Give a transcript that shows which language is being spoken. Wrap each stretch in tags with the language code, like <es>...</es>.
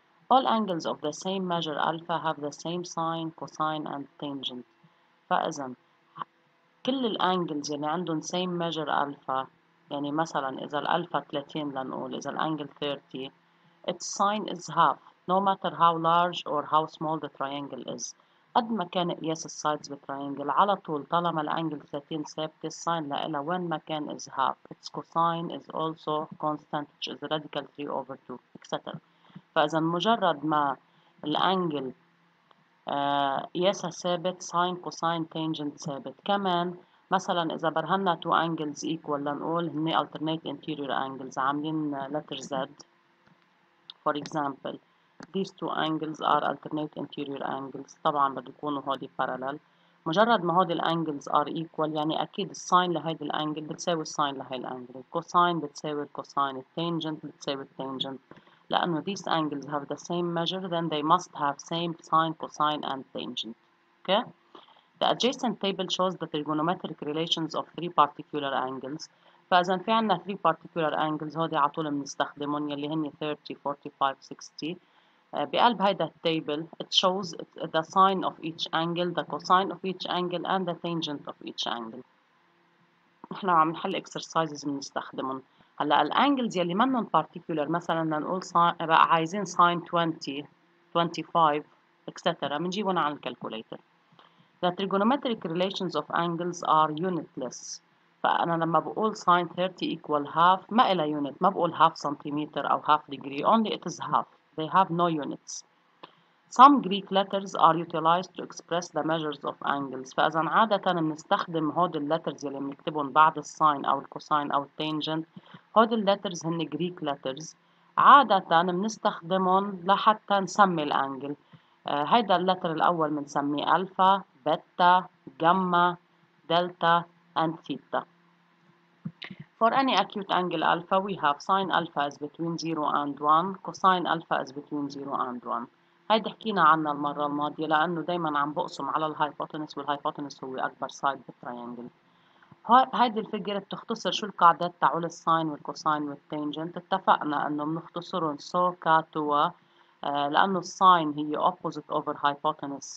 <en>All angles of the same measure alpha have the same sine, cosine and tangent.</en> <ar>فإذا كل الأنجلز اللي عندهم</ar> <en>same measure alpha،</en> <ar>يعني مثلا إذا الألفا 30 لنقول، إذا الأنجل 30</ar> <en>its sine is half. No matter how large or how small the triangle is.</en> <ar>قد ما كان قياس السايدز بالتريانجل على طول طالما الانجل 30 ثابت الساين لها وين ما كان</ar> <en>is half. Its cosine is also constant which is radical 3 over 2 etc.</en> <ar>فإذا مجرد ما الانجل قياسها ثابت sine cosine tangent ثابت. كمان مثلا إذا برهنا</ar> <en>two angles equal</en> <ar>لنقول هني</ar> <en>alternate interior angles</en> <ar>عاملين</ar> <en>letter Z. For example these two angles are alternate interior angles.</en> <ar>طبعا بده يكونوا هودي parallel. مجرد ما هودي الانجلز</ar> <en>are equal</en> <ar>يعني اكيد الساين لهيدي الانجل بتساوي الساين لهي الانجل، الكوساين بتساوي الكوساين، التانجنت بتساوي التانجنت.</ar> <en>لانه these angles have the same measure then they must have same sine, cosine and tangent. Okay. The adjacent table shows the trigonometric relations of three particular angles.</en> <ar>فإذا في عنا</ar> <en>three particular angles</en> <ar>هودي على طول بنستخدمهم يلي هن 30, 45, 60. بقلب هيدا التابل</ar> <en>it shows the sine of each angle, the cosine of each angle and the tangent of each angle.</en> <ar>نحن عم نحل exercises بنستخدمهم. هلا الانجلز يلي منن particular مثلا لنقول بقى عايزين sine 20, 25 etc. منجيبهم على الكالكوليتر.</ar> <en>The trigonometric relations of angles are unitless.</en> <ar>فأنا لما بقول</ar> <en>sine 30 equal half</en> <ar>ما إلى</ar> <en>unit،</en> <ar>ما بقول</ar> <en>half centimeter أو half degree، only it is half. They have no units. Some Greek letters are utilized to express the measures of angles.</en> <ar>فإذا عادة بنستخدم هودي letters يلي بنكتبهم بعد الساين أو الكوساين أو التانجنت. هودي letters هن Greek letters. عادة بنستخدمهم لحتى نسمي الأنجل. هيدا اللتر الأول بنسميه ألفا، بيتا، جاما، دلتا، and ثيتا.</ar> <en>For any acute angle alpha, we have sine alpha is between 0 and 1, cosine alpha is between 0 and 1.</en> <ar>هيدي حكينا عنها المرة الماضية لأنه دايما عم بقسم على الهايبوتنس والهايبوتنس هو أكبر سايد بالتريانجل. هيدي الفيجر بتختصر شو القاعدات تعول الساين والكوساين والتانجنت. اتفقنا أنه بنختصرهم سو كاتوا لأنه الساين هي</ar> <en>opposite over hypotenuse.</en>